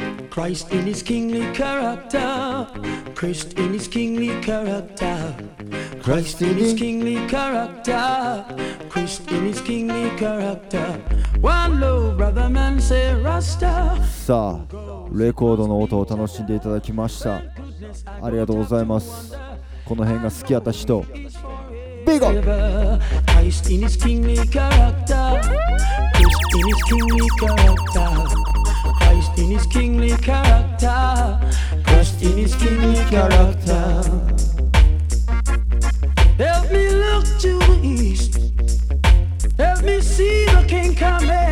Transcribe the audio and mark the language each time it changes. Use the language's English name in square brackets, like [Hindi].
[English] Christ in his kingly character. Christ in his kingly character. Christ in his kingly character. Christ in his kingly character. One love, brother man, say Rasta. [Japanese] さあ、レコードの音を楽しんでいただきました。ありがとうございます。この辺が好きやった人、ビゴ。 [English] Christ in his kingly character. Christ in his kingly character. Christ in his kingly character. Christ in his kingly character. Help me look to the east. Help me see the king coming.